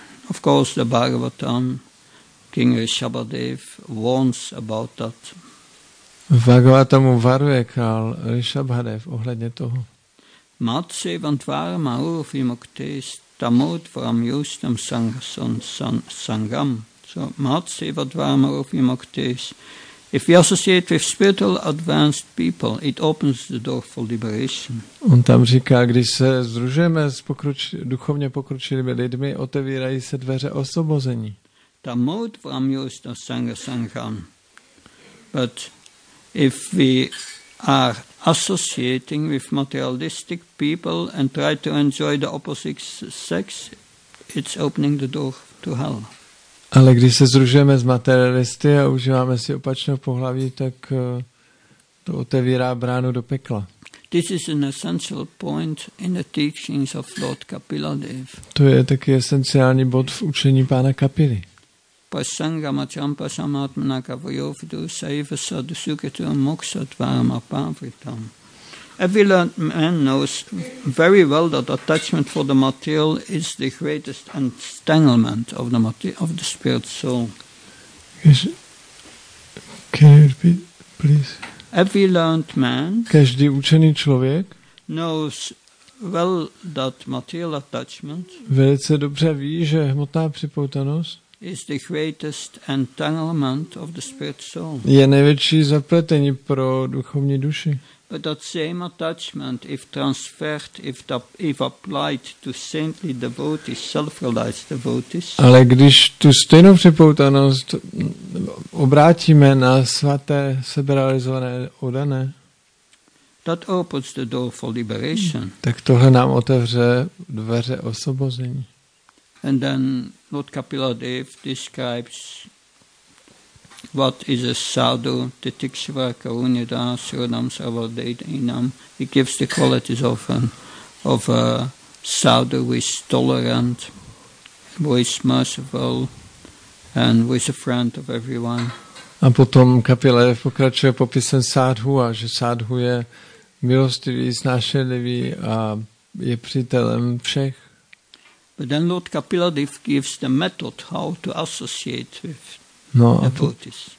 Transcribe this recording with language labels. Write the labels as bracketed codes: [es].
[en] Of course, the Bhagavatam, King Rishabhadev, warns about that. [cs] Bhagavatam varuje král Rishabhadev ohledně toho. [sa] Matse vantvarma urvimukte stamodvaram yustam sangam. So, matse vantvarma urvimukte. [en] If we associate with spiritual advanced people, it opens the door for liberation. [cs] On tam říká, když se združujeme s duchovně pokročilými lidmi, otevírají se dveře osvobození. [sa] Tamodvaram yustam sangam. [en] But if we are associating with materialistic people and try to enjoy the opposite sex, it's opening the door to hell. [cs] Ale když se združujeme s materialisty a užíváme si opačného pohlaví, tak to otevírá bránu do pekla. [en] This is an essential point in the teachings of Lord Kapila Dev. [cs] To je taky esenciální bod v učení pána Kapily. [sa] Pasangama champa samatmana kavyovidu saiva sadhu sukhetu moksha dvarama pavritam. [en] Every learned man knows very well that attachment for the material is the greatest entanglement of the spirit soul. Can you repeat, please? Every learned man, [cs] každý učený člověk, [en] knows well that material attachment, [cs] velice dobře ví, že hmotná připoutanost, [en] is the greatest entanglement of the spirit soul. [cs] Je největší zapletení pro duchovní duši. [en] But that same attachment, if transferred, if applied to saintly devotees, self-realized devotees. [cs] Ale když tu stejnou připoutanost obrátíme na svaté seberealizované oddané, [en] that opens the door for liberation. [cs] Tak tohle nám otevře dveře osvobození. [en] And then Lord Kapila Dev describes what is a sadhu, [sa] titikshva, karunida, suranam, savadeinam. [en] He gives the qualities of a sadhu who is tolerant, who is merciful, and who is a friend of everyone. [cs] A potom Kapila Dev pokračuje popisem sadhu, a že sadhu je milostivý, snášenlivý a je přítelem všech. [en] But then Lord Kapila gives the method how to associate with devotees.